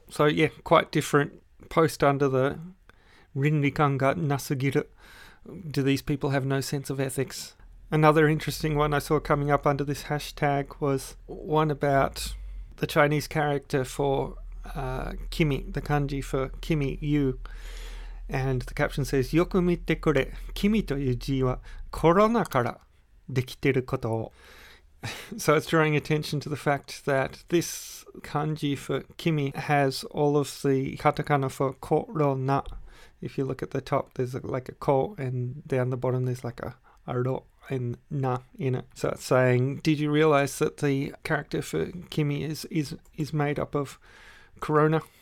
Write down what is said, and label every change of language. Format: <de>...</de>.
<en>So yeah, quite different post under the</en> <ja>Rinrikan ga nasugiru.</ja> <en>Do these people have no sense of ethics? Another interesting one I saw coming up under this hashtag was one about the Chinese character for Kimi, the kanji for Kimi, you. And the caption says,</en> <ja>Yoku mitte kure, Kimi という字はコロナからできてることを.</ja> <en>So it's drawing attention to the fact that this kanji for Kimi has all of the katakana for corona. If you look at the top, there's like a ko, and down the bottom there's like a ro and na in it. So it's saying, did you realize that the character for Kimi is made up of corona?</en>